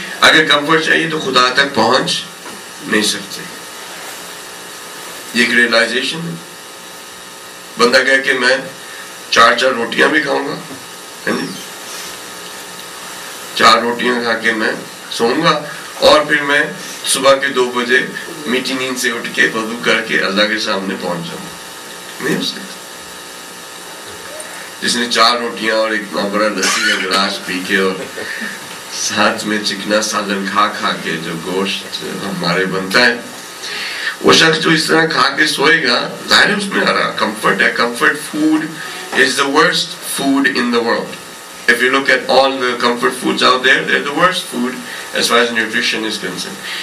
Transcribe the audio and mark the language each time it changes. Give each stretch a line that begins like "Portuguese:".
Urdu: اگر کمفرت چاہیے تو خدا تک پہنچ نہیں سکتے. ایک ریلائزیشن بندہ کہہ کہ میں چار چار روٹیاں بھی کھاؤں گا, چار روٹیاں کھا کے میں سوؤں گا اور پھر میں صبح کے 2 بجے میٹھی نیند سے اٹھ کے وضو کر کے اللہ کے سامنے پہنچ جاؤں گا. نہیں ہو سکتا. جس نے چار روٹیاں اور اتنا بڑا لسی کا گلاس پی کے اور ساتھ میں چکنا سالن کھا کے جو گوشت ہمارے بنتا ہے, وہ شخص جو اس طرح کھا کے سوئے گا, ظاہر ہے اس میں ہرا کمفرٹ ہے.
English: Comfort food is the worst food in the world. If you look at all the comfort foods out there, they're the worst food as far as nutrition is concerned.